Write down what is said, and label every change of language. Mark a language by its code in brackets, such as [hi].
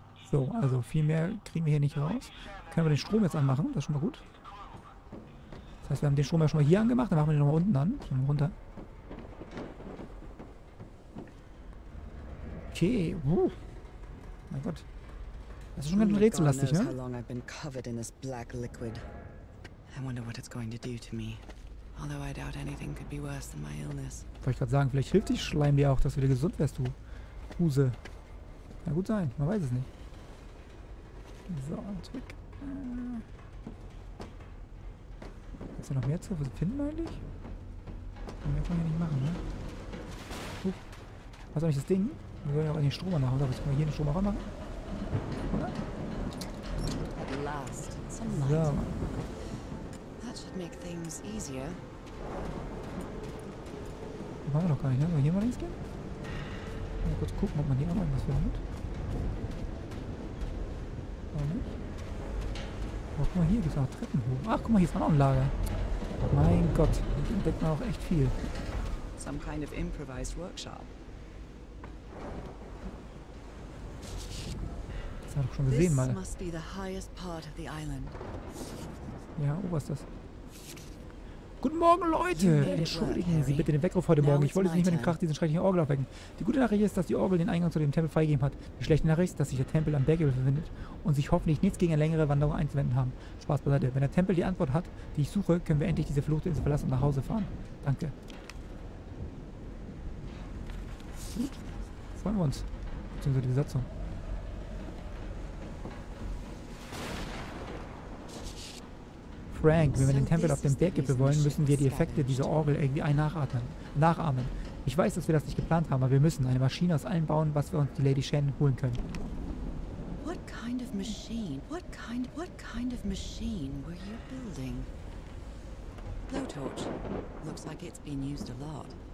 [de] So, also viel mehr kriegen wir hier nicht raus. Können wir den Strom jetzt anmachen, das ist schon mal gut. Das heißt, wir haben den Strom ja schon mal hier angemacht, dann machen wir den nochmal unten an. Gehen wir runter. Okay. Mein Gott. Das ist schon ganz rätsellastig, ne? [en] How long I've been covered in this black liquid. I wonder what it's going to do to me. Although I doubt anything could be worse than my illness. [de] Wollte ich gerade sagen, vielleicht hilft dich Schleim dir auch, dass du wieder gesund wärst, du Huse. Kann gut sein, man weiß es nicht. So, ein Trick. Ist da noch mehr zu finden eigentlich? Mehr kann ich nicht machen, ne? Huch. Was ist eigentlich das Ding? Wir wollen ja auch den Strom machen, oder? Was können wir hier den Strom auch machen? Oder? [en] At last, some light. So. That should make things easier. [de] Das machen wir doch gar nicht, ne? Sollen wir hier mal links gehen? Mal kurz gucken, ob man hier auch noch irgendwas findet. Oh, guck mal, hier gibt es auch Treppen hoch. Ach, guck mal, hier ist auch noch ein Lager. Mein Gott, hier entdeckt man auch echt viel. [en] Some kind of improvised workshop. [de] Das haben wir doch schon gesehen, [en] this [de] mal. [en] Must be the highest part of the island. [de] Ja, oh, was ist das? Guten Morgen, Leute! Entschuldigen Sie bitte den Weckruf heute Morgen. Ich wollte Sie nicht mit dem Krach diesen schrecklichen Orgel aufwecken. Die gute Nachricht ist, dass die Orgel den Eingang zu dem Tempel freigegeben hat. Die schlechte Nachricht ist, dass sich der Tempel am Berggipfel befindet und sich hoffentlich nichts gegen eine längere Wanderung einzuwenden haben. Spaß beiseite. Wenn der Tempel die Antwort hat, die ich suche, können wir endlich diese verfluchte Insel verlassen und nach Hause fahren. Danke. Gut. Freuen wir uns. Beziehungsweise die Besatzung. Frank, wenn wir den Tempel auf dem Berggipfel wollen, müssen wir die Effekte dieser Orgel irgendwie nachahmen. Ich weiß, dass wir das nicht geplant haben, aber wir müssen eine Maschine aus allem bauen, was wir uns die Lady Shen holen können. [en] What kind of machine? What kind of machine were you building? Blowtorch. Looks like it's been used a lot.